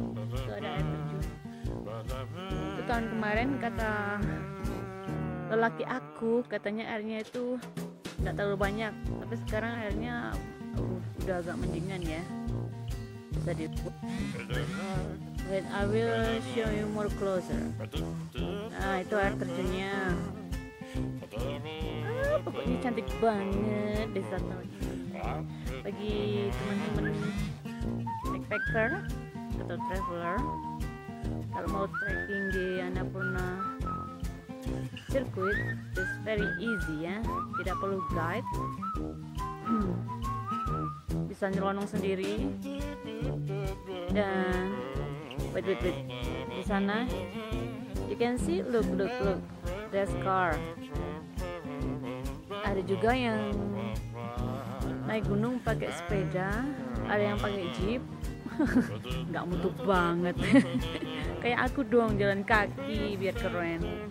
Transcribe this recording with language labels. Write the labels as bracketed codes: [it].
[id] Itu ada air terjun. Itu tahun kemarin kata lelaki aku, katanya airnya itu nggak terlalu banyak, tapi sekarang airnya udah agak mendingan ya. Bisa dibuat. [en] Wait, I will show you more closer. [id] Nah, itu air terjunnya. Pokoknya cantik banget desa tahun ini. Bagi teman-teman backpacker atau traveler, kalau mau trekking di Annapurna Circuit, [en] it's very easy [id] ya, tidak perlu guide. Bisa nyelonong sendiri. Dan wait. Di sana [en] you can see, look, there's car. [id] Ada juga yang naik gunung pakai sepeda, ada yang pakai jeep. Gak mutu banget. Kayak aku dong, jalan kaki biar keren.